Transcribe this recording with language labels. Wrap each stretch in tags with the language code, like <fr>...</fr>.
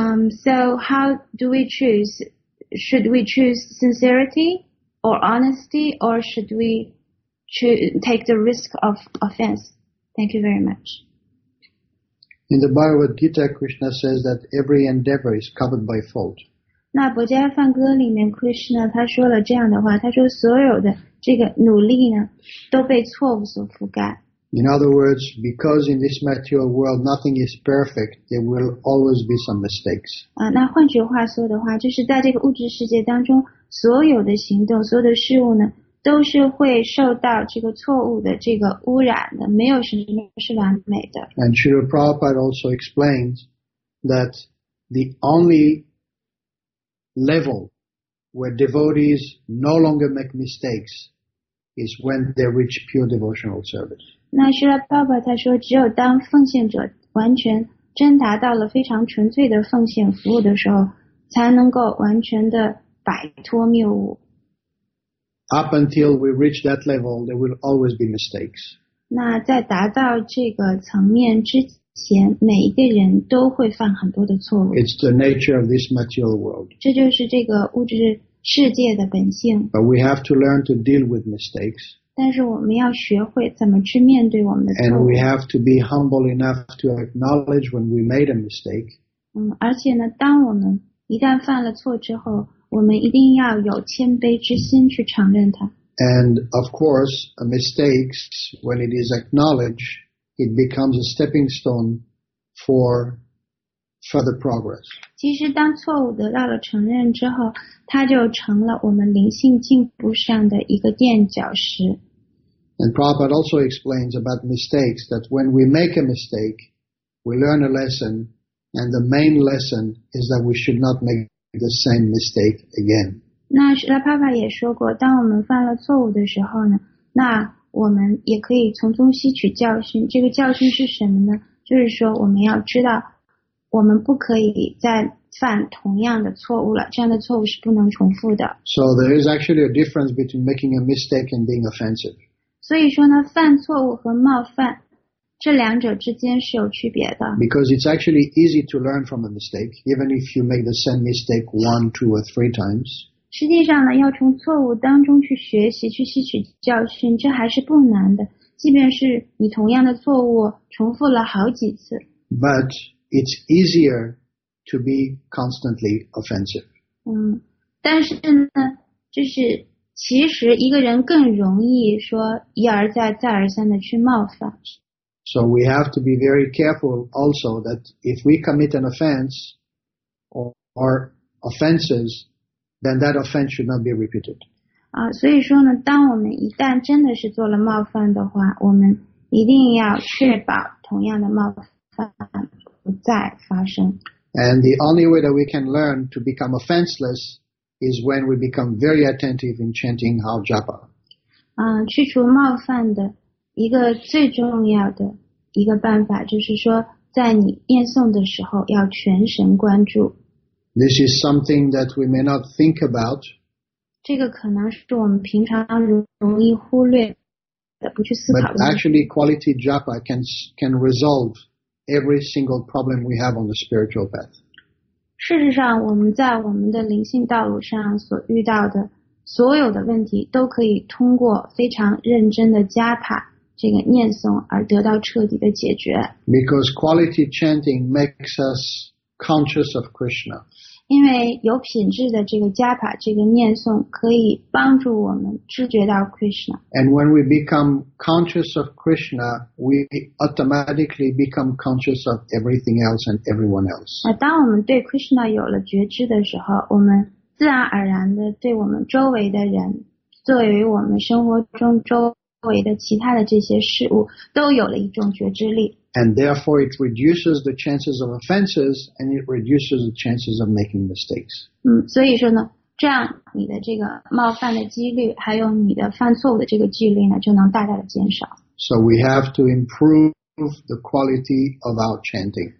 <en>So how do we choose? Should we choose sincerity or honesty or should we take the risk of offense? Thank you very much. In the Bhagavad Gita, Krishna says that every endeavor is covered by fault.</en> <zh>那《薄伽梵歌》里面 Krishna 他说了这样的话他说所有的这个努力呢都被错误所覆盖。</zh> <en>In other words, because in this material world nothing is perfect, there will always be some mistakes.</en> <zh>那换句话说的话，就是在这个物质世界当中，所有的行动，所有的事物呢，都是会受到这个错误的这个污染的，没有什么是完美的。</zh> <en>And Srila Prabhupada also explains that the only level where devotees no longer make mistakes is when they reach pure devotional service.</en> <zh>那是了爸爸他说只有当奉献者完全真达到了非常纯粹的奉献服务的时候才能够完全的摆脱谬误。</zh> <en>Up until we reach that level, there will always be mistakes.</en> <zh>那在达到这个层面之前每一个人都会犯很多的错误。</zh> <en>It's the nature of this material world.</en> <zh>这就是这个物质世界的本性。</zh> <en>But we have to learn to deal with mistakes.</en> <zh>但是我们要学会怎么去面对我们的错误。</zh> <en>And we have to be humble enough to acknowledge when we made a mistake.</en> <zh>而且呢，当我们一旦犯了错之后，我们一定要有谦卑之心去承认它。</zh> <en>And of course, a mistake, when it is acknowledged, it becomes a stepping stone for further progress.</en> <zh>其实当错误得到了承认之后它就成了我们灵性进步上的一个垫脚石。</zh> <en>And Prabhupada also explains about mistakes that when we make a mistake, we learn a lesson, and the main lesson is that we should not make the same mistake again.</en> <zh>那是了爸爸也说过当我们犯了错误的时候呢那我们也可以从中吸取教训这个教训是什么呢就是说我们要知道我们不可以再犯同样的错误了，这样的错误是不能重复的。</zh> <en>So there is actually a difference between making a mistake and being offensive.</en> <zh>所以说呢，犯错误和冒犯这两者之间是有区别的。</zh> <en>Because it's actually easy to learn from a mistake, even if you make the same mistake one, two or three times.</en> <zh>实际上呢，要从错误当中去学习，去吸取教训，这还是不难的，即便是你同样的错误重复了好几次。</zh> <en>But it's easier to be constantly offensive.</en> <zh>但是呢，就是其实一个人更容易说一而再再而三的去冒犯。</zh> <en>So we have to be very careful also that if we commit an offense or offenses, then that offense should not be repeated.</en> <zh>所以说呢，当我们一旦真的是做了冒犯的话，我们一定要确保同样的冒犯不再发生。</zh> <en>And the only way that we can learn to become offenseless is when we become very attentive in chanting Hal Japa.</en> <zh>去除冒犯的一个最重要的一个办法就是说在你念诵的时候要全神关注。</zh> <en>This is something that we may not think about.</en> <zh>这个可能是我们平常容易忽略的不去思考的。</zh> <en>But actually quality Japa can resolve every single problem we have on the spiritual path.</en> <zh>事实上我们在我们的灵性道路上所遇到的所有的问题都可以通过非常认真的加帕这个念诵而得到彻底的解决。</zh> <en>Because quality chanting makes us conscious of Krishna.</en> <zh>因为有品质的这个加帕这个念诵可以帮助我们知觉到 Krishna.</zh> <en>And when we become conscious of Krishna, we automatically become conscious of everything else and everyone else.</en> <zh>当我们对 Krishna 有了觉知的时候，我们自然而然的对我们周围的人，作为我们生活中周围的其他的这些事物，都有了一种觉知力。</zh> <en>And therefore it reduces the chances of offenses and it reduces the chances of making mistakes.</en> <zh>所以说呢，这样你的这个冒犯的几率还有你的犯错误的这个几率呢就能大大的减少。</zh> <en>So we have to improve the quality of our chanting.</en>